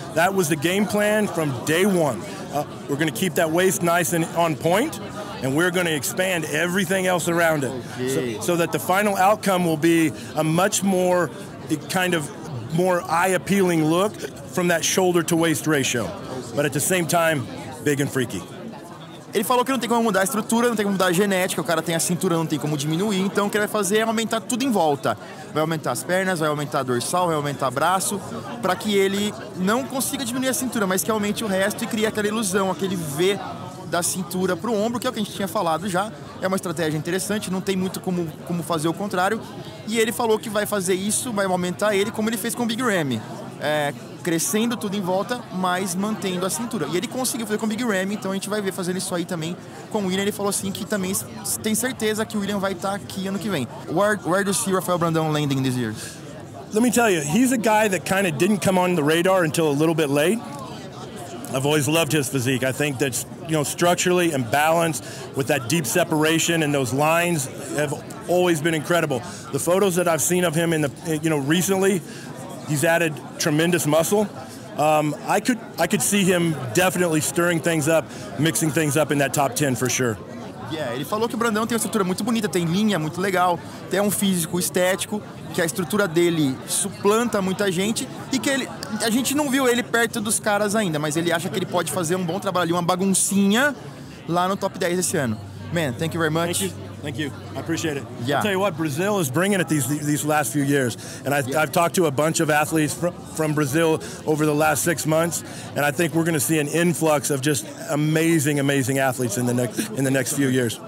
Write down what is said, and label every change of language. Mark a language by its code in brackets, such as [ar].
[en] That was the game plan from day one. We're going to keep that waist nice and on point, and we're going to expand everything else around it. Okay. So that the final outcome will be a much more kind of more eye-appealing look from that shoulder-to-waist ratio. But at the same time, big and freaky. [pt] Ele falou que não tem como mudar a estrutura, não tem como mudar a genética, o cara tem a cintura, não tem como diminuir, então o que ele vai fazer é aumentar tudo em volta. Vai aumentar as pernas, vai aumentar a dorsal, vai aumentar braço, para que ele não consiga diminuir a cintura, mas que aumente o resto e crie aquela ilusão, aquele V da cintura para o ombro, que é o que a gente tinha falado já. É uma estratégia interessante, não tem muito como fazer o contrário. E ele falou que vai fazer isso, vai aumentar ele, como ele fez com o Big Ramy. Crescendo tudo em volta, mas mantendo a cintura. E ele conseguiu fazer com o Big Ramy, então a gente vai ver fazendo isso aí também com o William. Ele falou assim que também tem certeza que o William vai estar aqui ano que vem. [en] Where do you see Rafael Brandão landing this year? Let me tell you, he's a guy that kind of didn't come on the radar until a little bit late. I've always loved his physique. I think that, you know, structurally and balanced with that deep separation and those lines have always been incredible. The photos that I've seen of him in the, you know, recently, he's added tremendous muscle. I could see him definitely stirring things up, mixing things up in that top 10 for sure. [pt] Yeah, ele falou que o Brandão tem uma estrutura muito bonita, tem linha muito legal, tem um físico estético, que a estrutura dele suplanta muita gente e que ele, a gente não viu ele perto dos caras ainda, mas ele acha que ele pode fazer um bom trabalho ali, uma baguncinha lá no top 10 esse ano. [en] Man, thank you very much. Thank you. I appreciate it. Yeah. I'll tell you what, Brazil is bringing it these last few years. And I've talked to a bunch of athletes from Brazil over the last 6 months. And I think we're going to see an influx of just amazing, amazing athletes in the next few years.